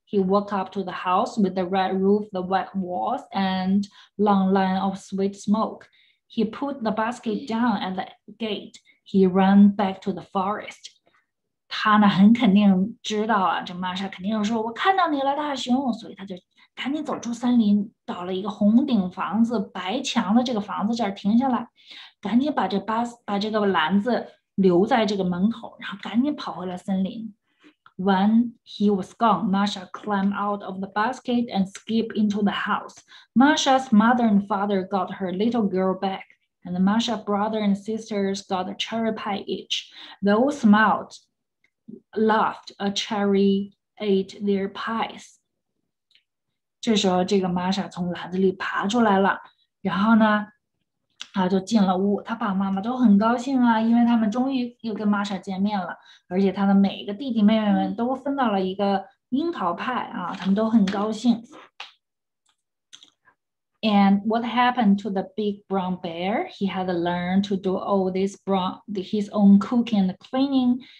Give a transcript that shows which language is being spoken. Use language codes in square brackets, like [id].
[en] He walked up to the house with the red roof, the white walls, and long line of sweet smoke. He put the basket down at the gate. He ran back to the forest. [zh] 他呢很肯定知道啊，这玛莎肯定说，我看到你了，大熊，所以他就赶紧走出森林，到了一个红顶房子、白墙的这个房子这儿停下来，赶紧把这个篮子留在这个门口，然后赶紧跑回了森林。 [en] When he was gone, Masha climbed out of the basket and skipped into the house. Masha's mother and father got her little girl back, and Masha's brother and sisters got a cherry pie each. They all smiled, laughed, a cherry ate their pies. [zh] 这时候这个 Masha 从篮子里爬出来了，然后呢他就进了屋，他爸妈妈都很高兴啊，因为他们终于又跟 Masha 见面了，而且他的每一个弟弟妹妹们都分到了一个樱桃派啊，他们都很高兴。 [en] And what happened to the big brown bear? He had learned to do all this his own cooking and cleaning.